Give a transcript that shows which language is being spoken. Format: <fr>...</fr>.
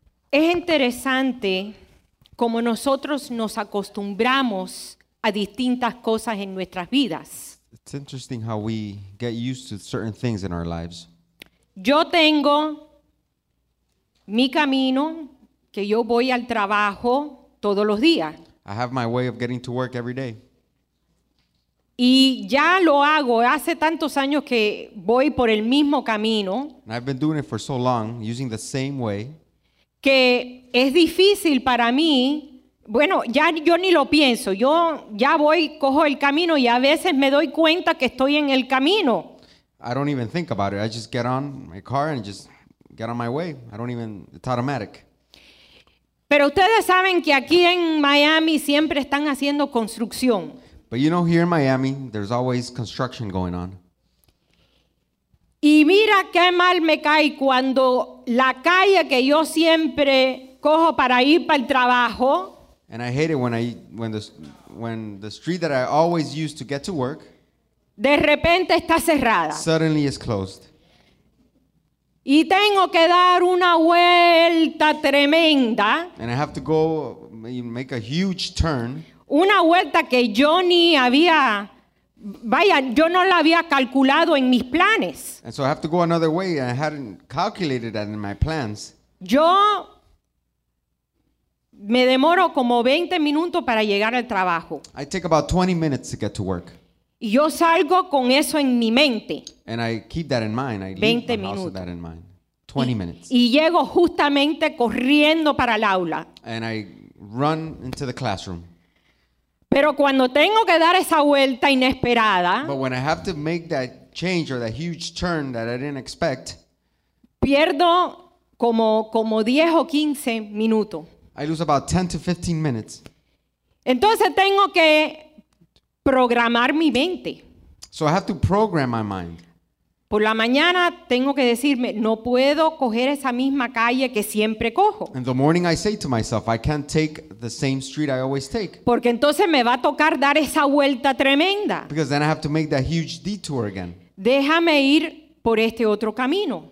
<es>Es interesante cómo nosotros nos acostumbramos a distintas cosas en nuestras vidas.</es> <en>It's interesting how we get used to certain things in our lives.</en> <es>Yo tengo mi camino que yo voy al trabajo todos los días.</es> <en>I have my way of getting to work every day.</en> <es>Y ya lo hago, hace tantos años que voy por el mismo camino.</es> <en>And I've been doing it for so long, using the same way.</en> <es>Que es difícil para mí, bueno, ya yo ni lo pienso, yo ya voy, cojo el camino y a veces me doy cuenta que estoy en el camino.</es> <en>I don't even think about it, I just get on my car and just get on my way, I don't even, it's automatic.</en> <es>Pero ustedes saben que aquí en Miami siempre están haciendo construcción.</es> <en>But you know, here in Miami, there's always construction going on.</en> <es>Y mira qué mal me cae cuando la calle que yo siempre cojo para ir para el trabajo.</es> <en>And I hate it when the street that I always use to get to work.</en> <es>De repente está cerrada.</es> <en>Suddenly it's closed.</en> <es>Y tengo que dar una vuelta tremenda.</es> <en>And I have to go make a huge turn.</en> <es>Una vuelta que yo ni había. Vaya, yo no la había calculado en mis planes.</es> <en>And so I have to go another way. I hadn't calculated that in my plans.</en> <es>Yo me demoro como 20 minutos para llegar al trabajo.</es> <en>I take about 20 minutes to get to work.</en> <es>Y yo salgo con eso en mi mente.</es> <en>And I keep that in mind. I</en> <es>20</es> <en>leave my</en> <es>minutos.</es> <en>House with that in mind. 20 minutes.</en> <es>Y llego justamente corriendo para el aula.</es> <en>And I run into the classroom.</en> <es>Pero cuando tengo que dar esa vuelta inesperada,</es> <en>but when I have to make that change or that huge turn that I didn't expect,</en> <es>pierdo como 10 o 15 minutos.</es> <en>I lose about 10 to 15 minutes.</en> <es>Entonces tengo que programar mi mente.</es> <en>So I have to program my mind.</en> <es>Por la mañana tengo que decirme, no puedo coger esa misma calle que siempre cojo.</es> <en>In the morning I say to myself, I can't take the same street I always take.</en> <es>Porque entonces me va a tocar dar esa vuelta tremenda.</es> <en>Because then I have to make that huge detour again.</en> <es>Déjame ir por este otro camino.</es>